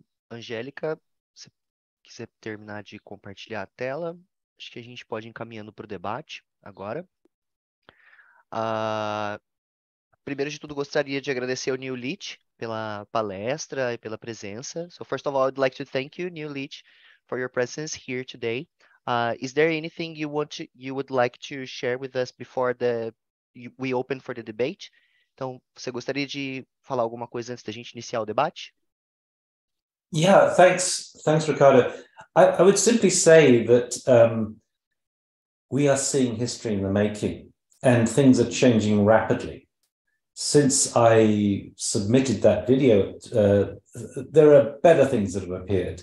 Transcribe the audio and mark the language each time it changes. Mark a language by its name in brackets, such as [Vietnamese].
[Portuguese] Angélica, se quiser terminar de compartilhar a tela, acho que a gente pode ir encaminhando para o debate agora. Primeiro de tudo, gostaria de agradecer ao Neil Leach pela palestra e pela presença. [English] So first of all, I'd like to thank you, Neil Leach, for your presence here today. Is there anything you would like to share with us before we open for the debate? [Portuguese] Então, você gostaria de falar alguma coisa antes da gente iniciar o debate? [English] Yeah, thanks, Ricardo. I would simply say that we are seeing history in the making, and things are changing rapidly. Since I submitted that video, there are better things that have appeared.